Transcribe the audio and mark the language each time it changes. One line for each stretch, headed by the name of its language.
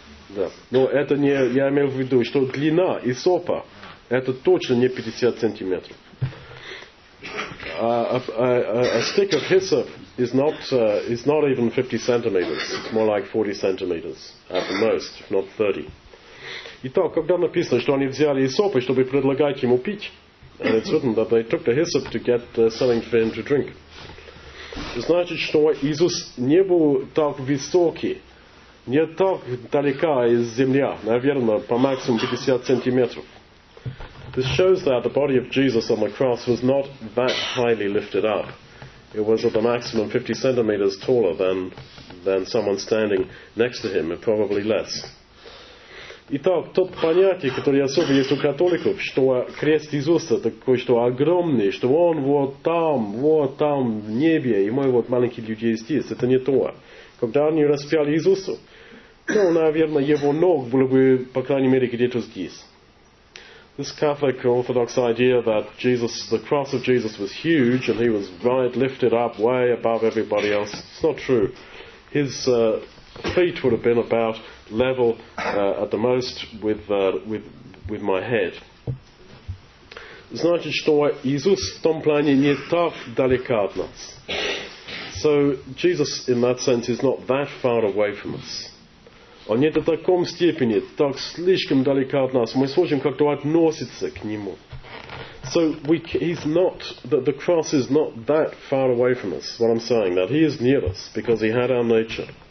Russian: Да. Но это не... Я имел в виду, что длина исопа, это точно не 50 сантиметров.
English: A stick of hyssop is not even 50 centimeters. It's more like 40 centimeters at the most, if not 30.
Russian: Итак, когда написано, что они взяли исопа, чтобы предлагать ему пить,
English: and it's written that they took the hyssop to get something for him to drink.
Russian: Значит, что Иисус не был так высокий, не так далека из земля, наверное, по максимуму 50 сантиметров.
English: This shows that the body of Jesus on the cross was not that highly lifted up. It was at the maximum 50 centimeters taller than someone standing next to him, and probably less.
Russian: Итак, то понятие, которое особо есть у католиков, что крест Иисуса такой, что огромный, что он вот там в небе, и мы вот маленькие люди здесь, это не то. Когда они распяли Иисуса, ну, наверное, его ног было бы, по крайней мере, где-то здесь.
English: This Catholic Orthodox idea that Jesus, the cross of Jesus was huge and he was right lifted up way above everybody else, it's not true. His feet would have been about level at the most with my head.
Russian: Значит, что Иисус в том плане не так далеко от нас.
English: So Jesus, in that sense, is not that far away from us.
Russian: Он не до таком степени, так слишком далеко от нас. Мы сможем как-то относиться к нему.
English: So he's not, the cross is not that far away from us, what I'm saying, that he is near us, because he had our nature.